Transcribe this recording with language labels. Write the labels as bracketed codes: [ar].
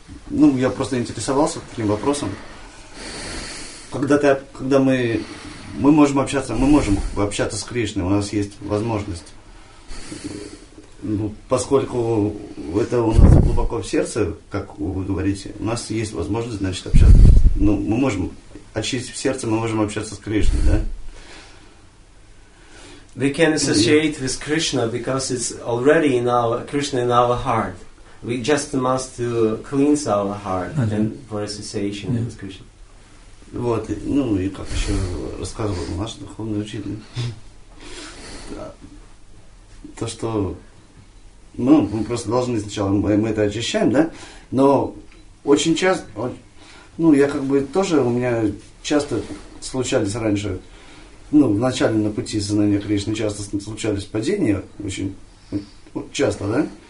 [ru] Ну, я просто интересовался таким вопросом. Когда мы можем общаться, мы можем общаться с Кришной, у нас есть возможность. Ну, поскольку это у нас глубоко в сердце, как вы говорите, у нас есть возможность, значит, общаться. Ну, мы можем очистить сердце, мы можем общаться с Кришной, да? [en] We can associate with Krishna because it's already in our Krishna in our heart. We just must to cleanse our heart and for association and discussion. [ru] Вот, ну и как еще рассказывал наш духовный учитель, то что, ну мы просто должны сначала мы это очищаем, да? Но очень часто, ну я как бы тоже у меня часто случались раньше, ну в начале на пути сознания Кришны часто случались падения, очень часто, да?